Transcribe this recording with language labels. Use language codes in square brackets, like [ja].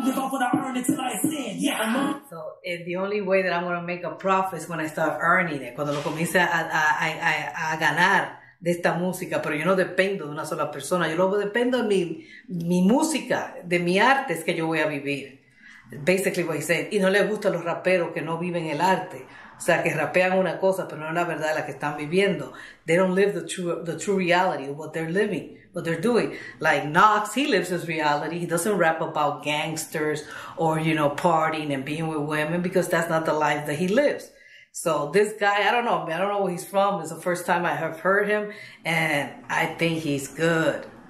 [en] So the only way that I'm going to make a profit is when I start earning it. [es] Cuando lo comience a ganar de esta música, pero yo no dependo de una sola persona. Yo luego dependo de mi música, de mi arte, es que yo voy a vivir. [en] Basically what he said. [es] Y no le gustan los raperos que no viven el arte. O sea, que rapean una cosa, pero no es la verdad la que están viviendo. [en] They don't live the true reality of what they're living, what they're doing. Like Knox, he lives his reality. He doesn't rap about gangsters or, you know, partying and being with women because that's not the life that he lives. So this guy, I don't know where he's from. It's the first time I have heard him, and I think he's good.